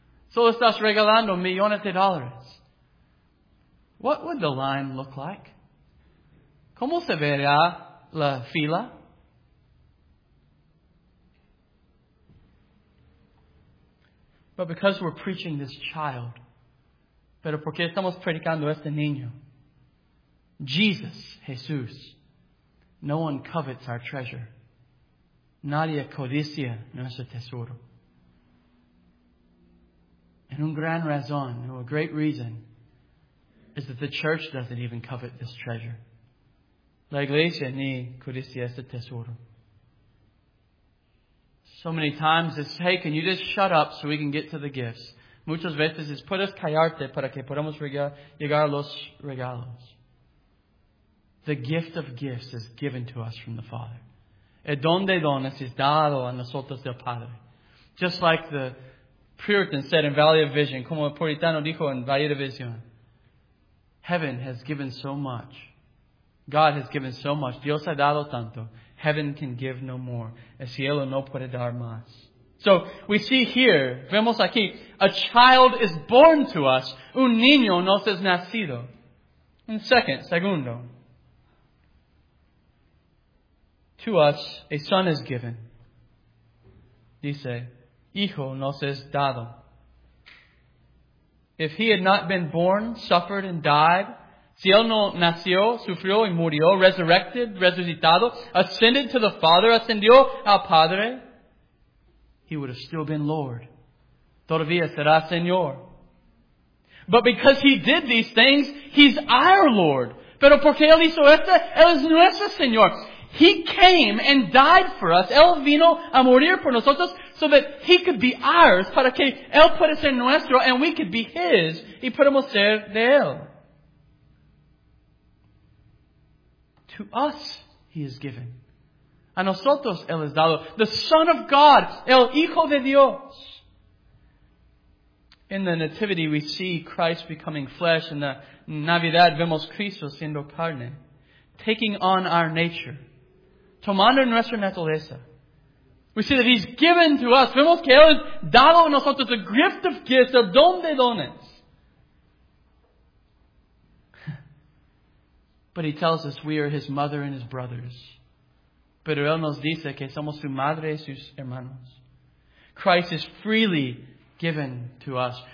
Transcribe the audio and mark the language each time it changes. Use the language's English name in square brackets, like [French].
[Spanish] Solo estás regalando millones de dólares. [English] What would the line look like? [Spanish] ¿Cómo se vería la fila? [English] But because we're preaching this child, [Spanish] pero porque estamos predicando este niño, [English] Jesus, Jesús, no one covets our treasure. [Spanish] Nadie codicia nuestro tesoro. [English] And [Spanish] un gran razón, [English] a great reason, is that the church doesn't even covet this treasure. [Spanish] La iglesia ni codicia este tesoro. [English] So many times it's, hey, can you just shut up so we can get to the gifts? [Spanish] Muchas veces es, puedes callarte para que podamos llegar a los regalos. [English] The gift of gifts is given to us from the Father. [Spanish] El don de dones es dado a nosotros del Padre. [English] Just like the Puritan said in Valley of Vision, [Spanish] como el Puritano dijo en Valle de Vision, [English] heaven has given so much. God has given so much. [Spanish] Dios ha dado tanto. [English] Heaven can give no more. [Spanish] El cielo no puede dar más. [English] So we see here, [Spanish] vemos aquí, [English] a child is born to us. [Spanish] Un niño nos es nacido. [English] And segundo, to us a son is given. [Spanish] dice, Hijo nos es dado. [English] If he had not been born, suffered, and died, [Spanish] si él no nació, sufrió y murió, [English] resurrected, resucitado, ascended to the Father, [Spanish] ascendió al Padre, [English] he would have still been Lord. [Spanish] Todavía será Señor. [English] But because he did these things, he's our Lord. [Spanish] Pero porque él hizo esto, él es nuestro Señor. [English] He came and died for us. [Spanish] Él vino a morir por nosotros [English] so that he could be ours, [Spanish] para que él pueda ser nuestro [English] and we could be his [Spanish] y podemos ser de él. [English] To us, he is given. [Spanish] A nosotros, él es dado. [English] The Son of God, [Spanish] el Hijo de Dios. [English] In the Nativity, we see Christ becoming flesh. In the Navidad, [Spanish] vemos Cristo siendo carne, [English] taking on our nature. [Spanish] Tomando nuestra naturaleza. [English] We see that he's given to us. [Spanish] Vemos que él es dado a nosotros [English] the gift of gifts, of [Spanish] don de dones. [English] But he tells us we are his mother and his brothers. [Spanish] Pero él nos dice que somos su madre y sus hermanos. [English] Christ is freely given to us.